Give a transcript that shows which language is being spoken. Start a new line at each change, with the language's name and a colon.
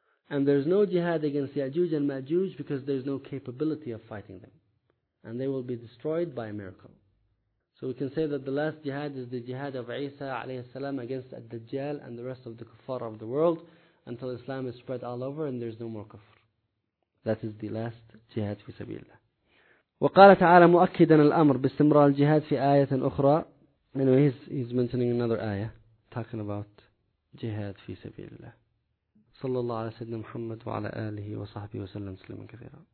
English: And there is no jihad against Ya'juj and Ma'juj, because there is no capability of fighting them. And they will be destroyed by a miracle. So we can say that the last jihad is the jihad of Isa alayhi salam against Ad-Dajjal and the rest of the kuffar of the world until Islam is spread all over and there is no more kuffar. That is the last jihad fi sabilillah.
Arabic: وقال تعالى مؤكدا الأمر باستمرار الجهاد في آية أخرى.
English: Anyway, he's mentioning another ayah talking about jihad fi sabilillah.
Arabic: صلى الله على سيدنا محمد وعلى آله وصحبه وسلم تسليما كثيرا.